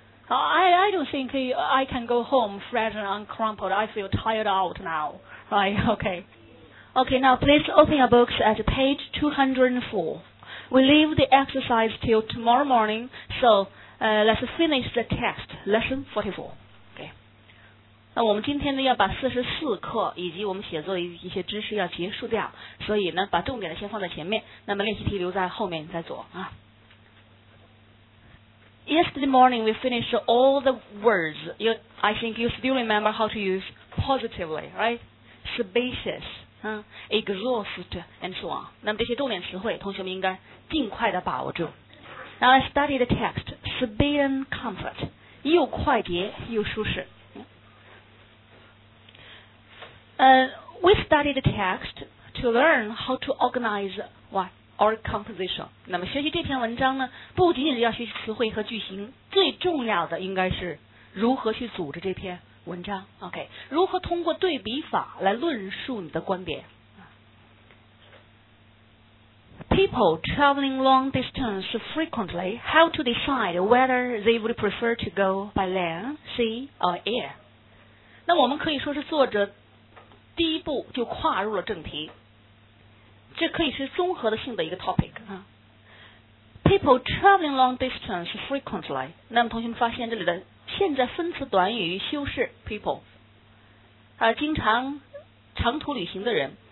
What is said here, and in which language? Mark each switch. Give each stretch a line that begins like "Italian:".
English: I don't think I can go home fresh and uncrumpled. I feel tired out now. Right? Okay. Okay. Now please open your books at page 204. We leave the exercise till tomorrow morning. So, let's finish the text. Lesson 44.
Chinese: 那我们今天呢要把44课以及我们写作的一些知识要结束掉，所以呢把重点的先放在前面，那么练习题留在后面再做啊。
English: Yesterday morning we finished all the words. I think you still remember how to use positively, right? Spacious, exhaust, and so on.
Chinese: 那么这些重点词汇同学们应该尽快的把握住。
English: Now I study the text. Speed and comfort.
Chinese: 又快捷又舒适。
English: we studied the text to learn how to organize what our composition.
Chinese: 那么学习这篇文章呢，不仅仅是要学习词汇和句型，最重要的应该是如何去组织这篇文章。 OK， 如何通过对比法来论述你的观点？
English: People traveling long distance frequently have to decide whether they would prefer to go by land, sea, or air.
Chinese: 那我们可以说是作者第一步就跨入了正题，这可以是综合性的一个 topic、啊、
English: People traveling long distance frequently.
Chinese: 那么同学们发现这里的现在分词短语修饰 people， 经常长途旅行的人。